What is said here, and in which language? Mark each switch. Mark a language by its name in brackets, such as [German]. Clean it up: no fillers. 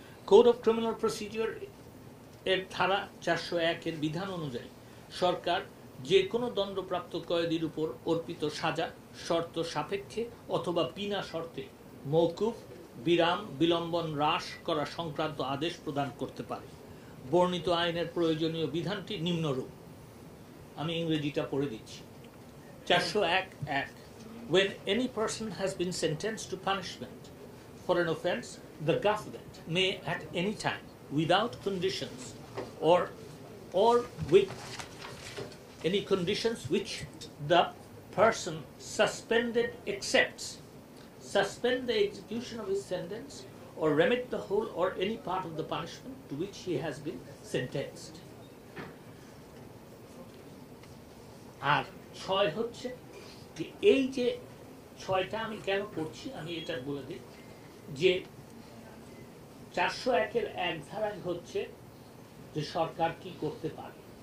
[Bangla] Code of criminal procedure এর ধারা 401-এর বিধান অনুযায়ী সরকার যে কোনো দণ্ডপ্রাপ্ত কয়েদির উপর অর্পিত সাজা শর্ত সাপেক্ষে অথবা বিনা শর্তে মওকুফ, বিরাম, বিলম্বন হ্রাস করা সংক্রান্ত আদেশ প্রদান করতে পারে। বর্ণিত আইনের প্রয়োজনীয় বিধানটি নিম্নরূপ, আমি ইংরেজিটা পড়ে দিচ্ছি। [English] 401(1) When any person has been sentenced to punishment for an offense, the government may at any time, without conditions or with any conditions which the person suspended accepts, suspend the execution of his sentence or remit the whole or any part of the punishment to which he has been sentenced. [Bangla] আর ছয় হচ্ছে যে এই যে ছয়টা আমি কেন পড়ছি আমি এটা বলে দিই যে 401(1)ধারায় হচ্ছে যে সরকার কি করতে পারে,